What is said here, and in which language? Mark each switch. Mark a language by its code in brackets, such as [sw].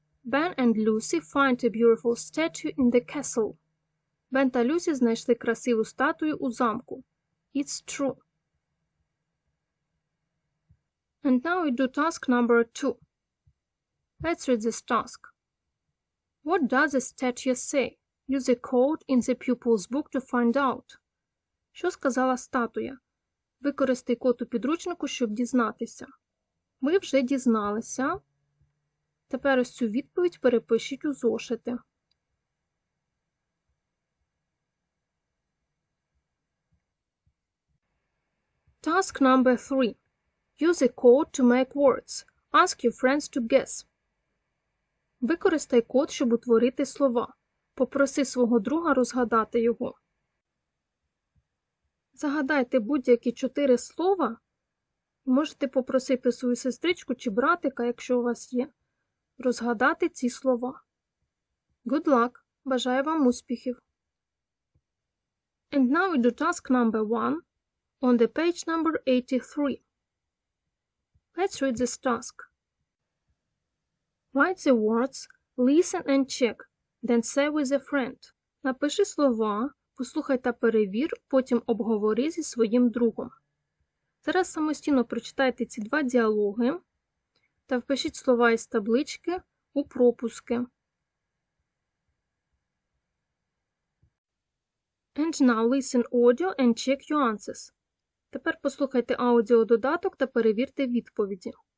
[en] Ben and Lucy find a beautiful statue in the castle. [uk] Бен та Люсі знайшли красиву статую у замку. [en] It's true. And now we do task number 2. Let's read this task. What does the statue say? Use the code in the pupil's book to find out. [uk] Що сказала статуя? Використай код у підручнику, щоб дізнатися. Ми вже дізналися. Тепер ось цю відповідь перепишіть у зошити. [en] Task number 3. Use a code to make words. Ask your friends to guess. [uk] Використай код, щоб утворити слова. Попроси свого друга розгадати його. Загадайте будь-які 4 слова. Можете попросити свою сестричку чи братика, якщо у вас є, розгадати ці слова. [en] Good luck! [uk] Бажаю вам успіхів! [en] And now we do task number 1. On the page number 83. Let's read this task. Write the words, listen and check, then say with a friend. [uk] Напиши слова, послухай та перевір, потім обговори зі своїм другом. Зараз самостійно прочитайте ці 2 діалоги та впишіть слова із таблички у пропуски. [en] And now listen audio and check your answers. [uk] Тепер послухайте аудіододаток та перевірте відповіді.